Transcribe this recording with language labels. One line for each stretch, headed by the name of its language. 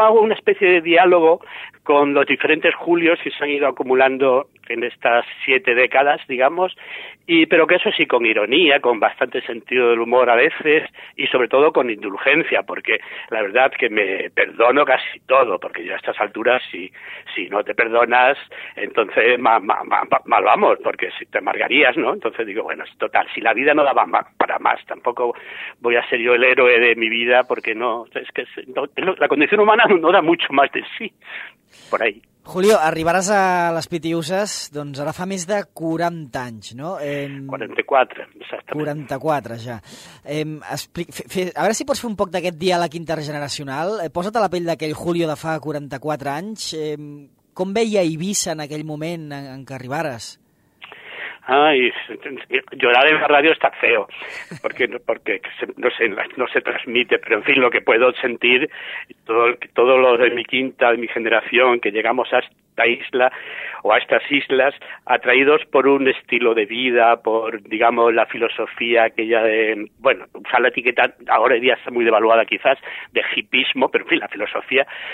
Spanish: hago una especie de diálogo con los diferentes Julios que se han ido acumulando en estas 7 décadas, digamos, y pero que eso sí, con ironía, con bastante sentido del humor a veces, y sobre todo con indulgencia, porque la verdad que me perdono casi todo, porque yo a estas alturas, si no te perdonas, entonces mal vamos, porque si te amargarías, ¿no? Entonces digo, bueno, total, si la vida no daba para más, tampoco voy a ser yo el héroe de mi vida, porque no, es que no, la condición humana no da mucho más de sí, por ahí.
Catalan: Julio, arribaràs a les Pitiüses, doncs ara fa més de 40 anys, no? 44, exactament. 44, ja. A veure si pots fer un poc d'aquest diàleg intergeneracional. Posa't a la pell d'aquell Julio de fa 44 anys. Com veia Eivissa en aquell moment en què arribares?
Spanish: Ay, llorar en la radio está feo, porque no se transmite, pero en fin, lo que puedo sentir, todos los de mi quinta, de mi generación, que llegamos a esta isla o a estas islas, atraídos por un estilo de vida, por, digamos, la filosofía aquella de, bueno, usar la etiqueta, ahora en día está muy devaluada quizás, de hipismo, pero en fin, la filosofía,